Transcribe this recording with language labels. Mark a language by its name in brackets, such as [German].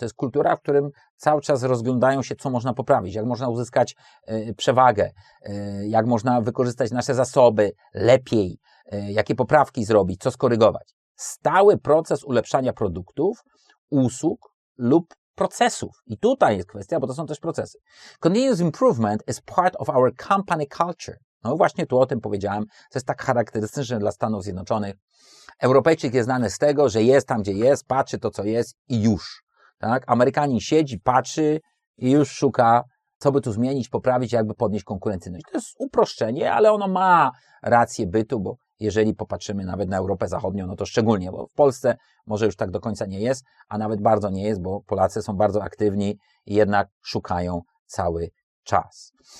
[Polish] To jest kultura, w którym cały czas rozglądają się, co można poprawić, jak można uzyskać przewagę, jak można wykorzystać nasze zasoby lepiej, jakie poprawki zrobić, co skorygować. Stały proces ulepszania produktów, usług lub procesów. I tutaj jest kwestia, bo to są też procesy. [English] Continuous improvement is part of our company culture. [Polish] No właśnie tu o tym powiedziałem, co jest tak charakterystyczne dla Stanów Zjednoczonych. Europejczyk jest znany z tego, że jest tam, gdzie jest, patrzy to, co jest i już. Tak? Amerykanin siedzi, patrzy i już szuka, co by tu zmienić, poprawić, jakby podnieść konkurencyjność. To jest uproszczenie, ale ono ma rację bytu, bo jeżeli popatrzymy nawet na Europę Zachodnią, no to szczególnie, bo w Polsce może już tak do końca nie jest, a nawet bardzo nie jest, bo Polacy są bardzo aktywni i jednak szukają cały czas.